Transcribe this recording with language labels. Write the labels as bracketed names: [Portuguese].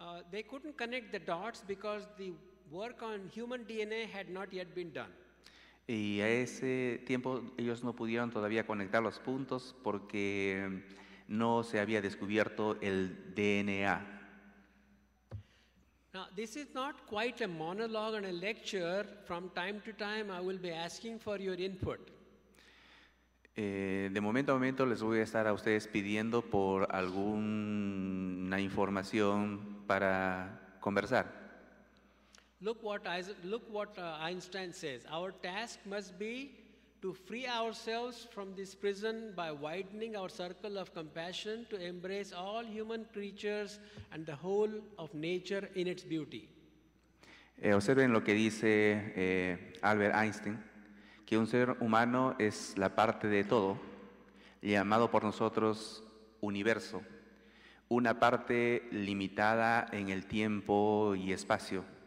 [English] They couldn't connect the dots because the work on human DNA had not yet been done. [Spanish] Y a ese tiempo ellos no pudieron todavía conectar los puntos porque no se había descubierto el DNA. [English] Now, this is not quite a monologue and a lecture. From time to time, I will be asking for your input. [Spanish] De momento a momento les voy a estar a ustedes pidiendo por alguna información para conversar. [English] Look what Einstein says. Our task must be to free ourselves from this prison by widening our circle of compassion to embrace all human creatures and the whole of nature in its beauty. [Spanish] Observen lo que dice Albert Einstein, que un ser humano es la parte de todo, llamado por nosotros universo, una parte limitada en el tiempo y espacio.